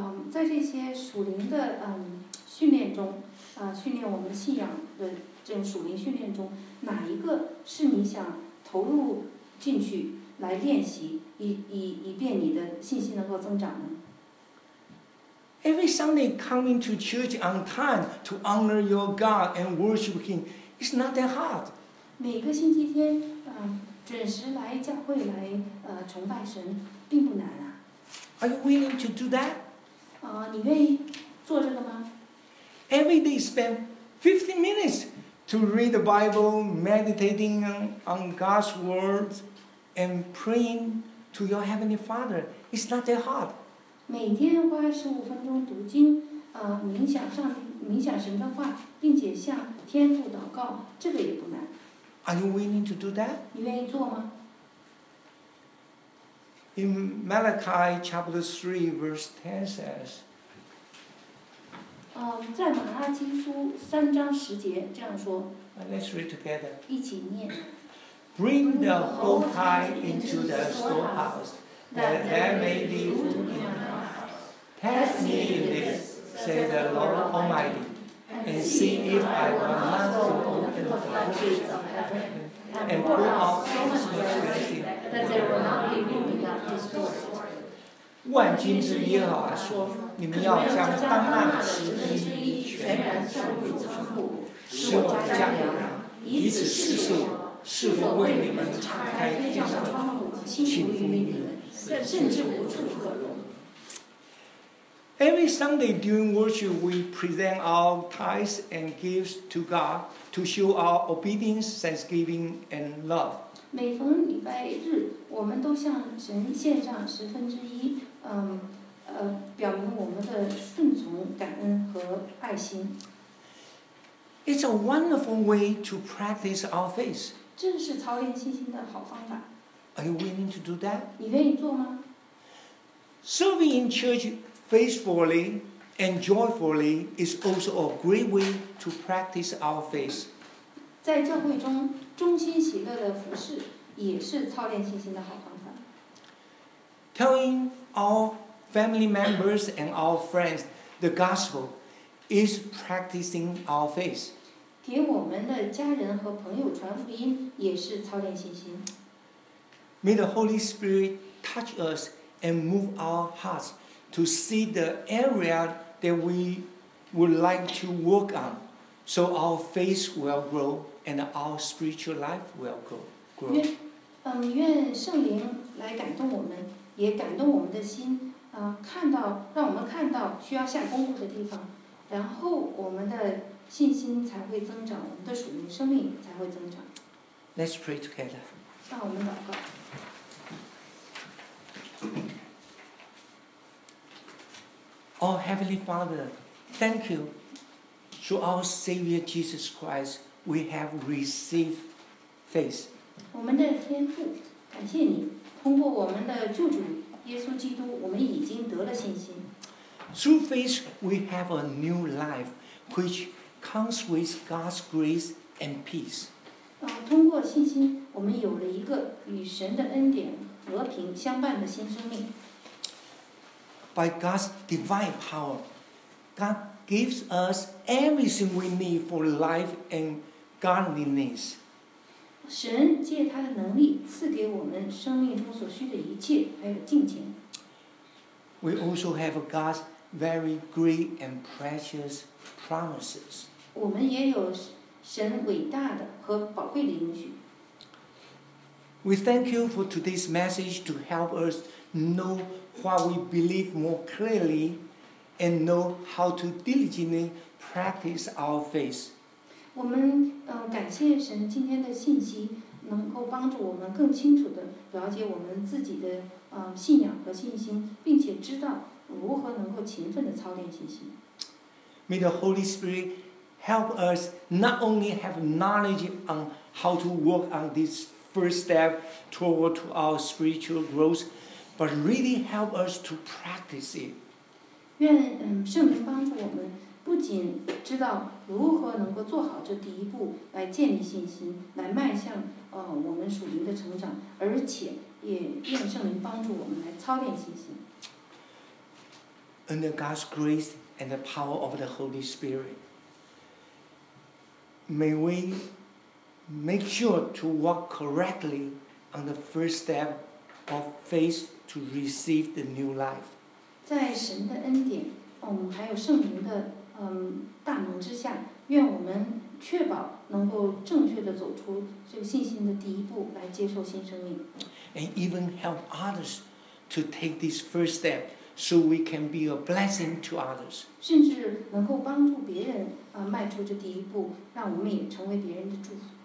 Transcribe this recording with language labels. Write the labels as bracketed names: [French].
[Chinese] 在这些属灵的训练中，训练我们信仰的这种属灵训练中，哪一个是你想投入进去来练习，以便你的信心能够增长呢？ [English] Every Sunday coming to church on time to honor your God and worship Him is not that hard. [Chinese] 每个星期天，准时来教会来崇拜神，并不难啊。 [English] Are you willing to do that? [Chinese] 你愿意做这个吗？ [English] Every day spend 15 minutes. To read the Bible, meditating on God's word, and praying to your Heavenly Father. It's not that hard. [Chinese] 每天花15分钟读经，冥想神的话，并且向天父祷告，这个也不难。 [English] Are you willing to do that? [Chinese] 你愿意做吗？ [English] In Malachi chapter 3, verse 10 says, [Chinese] 在马拉基书三章十节这样说。 [English] Let's read together. [Chinese] 一起念。 [English] Bring the whole tithe into the storehouse, that there may be food in my house. Test me in this, say the Lord Almighty, and see if I will not open the floodgates of heaven, and pour out so much mercy that there will not be room enough to store it. [Chinese] 万军之耶和华说：“你们要将当纳的十分之一全然收入仓库，使我的家粮以此试数，是否为你们敞开天上的窗户，倾覆于你们，甚至无处可容。” [English] Every Sunday during worship, we present our tithes and gifts to God to show our obedience, thanksgiving, and love. [Chinese] 每逢礼拜日，我们都向神献上十分之一。表明我们的顺从、感恩和爱心。 [English] It's a wonderful way to practice our faith. [Chinese] 这是操练信心的好方法。 [English] Are you willing to do that? [Chinese] 你愿意做吗？ [English] Serving in church faithfully and joyfully is also a great way to practice our faith. [Chinese] 在教会中忠心喜乐的服事也是操练信心的好方法。 [English] Telling our family members and our friends, the gospel is practicing our faith. [Chinese] 给我们的家人和朋友传福音也是操练信心。 [English] May the Holy Spirit touch us and move our hearts to see the area that we would like to work on, so our faith will grow and our spiritual life will grow. [Chinese] 愿圣灵来感动我们。也感动我们的心，看到让我们看到需要下功夫的地方，然后我们的信心才会增长，我们的属灵生命才会增长。 [English] Let's pray together. [Chinese] 让我们祷告。 [English] Oh Heavenly Father, thank you. Through our Savior Jesus Christ, we have received faith. [Chinese] 我们的天父，感谢你。通过我们的救主耶稣基督，我们已经得了信心。 [English] Through faith, we have a new life, which comes with God's grace and peace. [Chinese] 通过信心，我们有了一个与神的恩典和平相伴的新生命。 [English] By God's divine power, God gives us everything we need for life and godliness. [Chinese] 神借他的能力赐给我们生命中所需的一切，还有金钱。 [English] We also have God's very great and precious promises. [Chinese] 我们也有神伟大的和宝贵的应许。 [English] We thank you for today's message to help us know what we believe more clearly and know how to diligently practice our faith. [Chinese] 我们感谢神今天的信息能够帮助我们更清楚地了解我们自己的信仰和信心，并且知道如何能够勤奋地操练信心。 [English] May the Holy Spirit help us not only have knowledge on how to work on this first step toward our spiritual growth, but really help us to practice it. [Chinese] 愿圣灵帮助我们不仅知道如何能够做好这第一步来建立信心，来迈向我们属灵的成长，而且也愿圣灵帮助我们来操练信心。 [English] Under God's grace and the power of the Holy Spirit, may we make sure to walk correctly on the first step of faith to receive the new life. [Chinese] 在神的恩典，还有圣灵的大能之下，愿我们确保能够正确的走出这个信心的第一步，来接受新生命。 [English] And even help others to take this first step, so we can be a blessing to others. [Chinese] 甚至能够帮助别人迈出这第一步，让我们也成为别人的祝福。